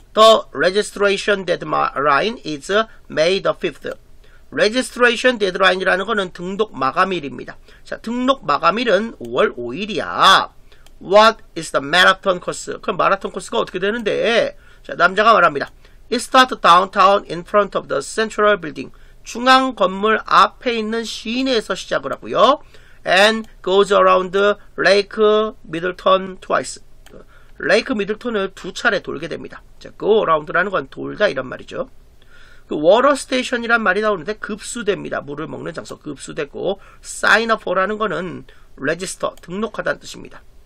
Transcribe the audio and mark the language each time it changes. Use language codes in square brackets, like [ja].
[en] The registration deadline is May the 5th. [ko] Registration deadline이라는 것은 등록 마감일입니다. 자, 등록 마감일은 5월 5일이야. [en] What is the marathon course? [ko] 그럼 마라톤 코스가 어떻게 되는데? 자, 남자가 말합니다. [en] It starts downtown in front of the central building. [ko] 중앙 건물 앞에 있는 시내에서 시작을 하고요. [en] And goes around Lake Middleton twice. [ko] Lake Middleton을 두 차례 돌게 됩니다. 자, go around라는 건 돌다 이런 말이죠. 그 워터 스테이션이란 말이 나오는데 급수됩니다. 물을 먹는 장소 급수되고 sign up for라는 거는 register 등록하다는 뜻입니다.